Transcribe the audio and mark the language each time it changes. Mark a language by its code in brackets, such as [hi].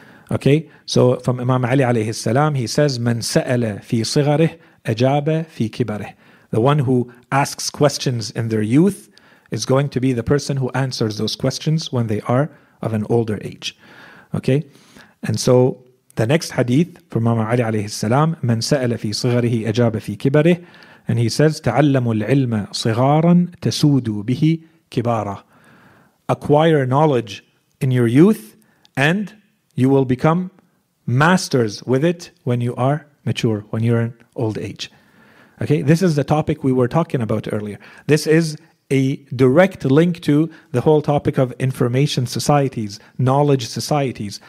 [en] Okay, so from Imam Ali alayhi salam, he says, [ar] مَنْ سَأَلَ فِي صِغَرِهِ أَجَابَ فِي كِبَرِهِ. [en] The one who asks questions in their youth is going to be the person who answers those questions when they are of an older age. Okay, and so The next hadith from Imam Ali alayhi salam, [ar] من سأل في صغره أجاب في كبره, [en] and he says, [ar] تعلموا العلم صغارا تسودوا به كبارا. [en] Acquire knowledge in your youth and you will become masters with it when you are mature, when you're in old age. Okay, this is the topic we were talking about earlier. This is a direct link to the whole topic of information societies, knowledge societies.